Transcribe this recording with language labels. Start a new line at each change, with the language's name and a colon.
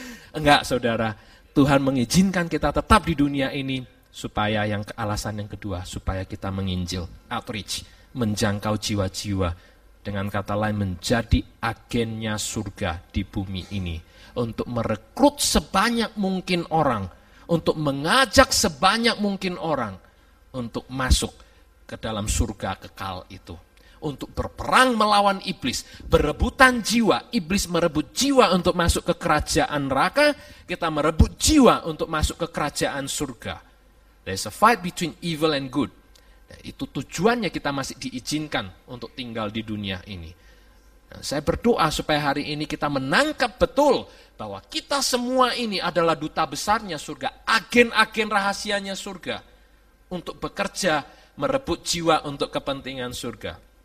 Indonesian: Enggak saudara, Tuhan mengizinkan kita tetap di dunia ini, supaya yang alasan yang kedua, supaya kita menginjil, outreach, menjangkau jiwa-jiwa, dengan kata lain menjadi agennya surga di bumi ini, untuk merekrut sebanyak mungkin orang, untuk mengajak sebanyak mungkin orang, untuk masuk ke dalam surga kekal itu. Untuk berperang melawan iblis, berebutan jiwa, iblis merebut jiwa untuk masuk ke kerajaan neraka, kita merebut jiwa untuk masuk ke kerajaan surga.
English: There's a fight between evil and good.
Indonesian: Nah, itu tujuannya kita masih diizinkan untuk tinggal di dunia ini. Nah, saya berdoa supaya hari ini kita menangkap betul bahwa kita semua ini adalah duta besarnya surga, agen-agen rahasianya surga, untuk bekerja merebut jiwa untuk kepentingan surga.